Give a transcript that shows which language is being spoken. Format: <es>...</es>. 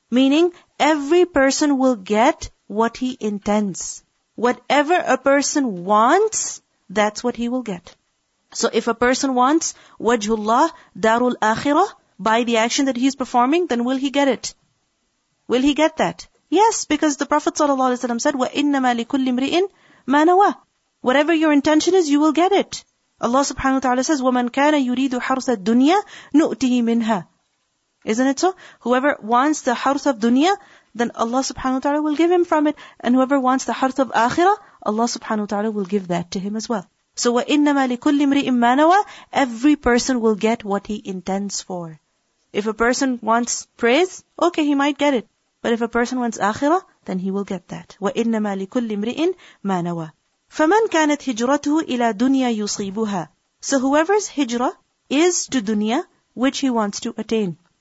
<en>Meaning, every person will get what he intends. Whatever a person wants, that's what he will get. So if a person wants wajhullah darul akhirah by the action that he's performing, then will he get it? Will he get that? Yes, because the Prophet ﷺ said,</en> <ar>وَإِنَّمَا لِكُلِّ امْرِئٍ مَا نَوَى.</ar> <en>Whatever your intention is, you will get it. Allah subhanahu wa ta'ala says,</en> <ar>وَمَنْ كَانَ يُرِيدُ حَرْثَ الدُّنْيَا نُؤْتِهِ مِنْهَا.</ar> <en>Isn't it so? Whoever wants the harth of dunya, then Allah subhanahu wa ta'ala will give him from it. And whoever wants the harth of akhirah, Allah subhanahu wa ta'ala will give that to him as well. So</en> <ar>وَإِنَّمَا لِكُلِّ امْرِئٍ مَا نَوَى.</ar> <en>Every person will get what he intends for. If a person wants praise, okay, he might get it. But if a person wants akhirah, then he will get that.</en> <ar>وَإِنَّمَا لِكُلِّ امْرِئٍ مَا نَوَى. فَمَنْ كَانَتْ هِجْرَتُهُ إِلَى دُنْيَا يُصِيبُهَا.</ar> <en>So whoever's hijrah is to dunya, which he wants to attain.</en>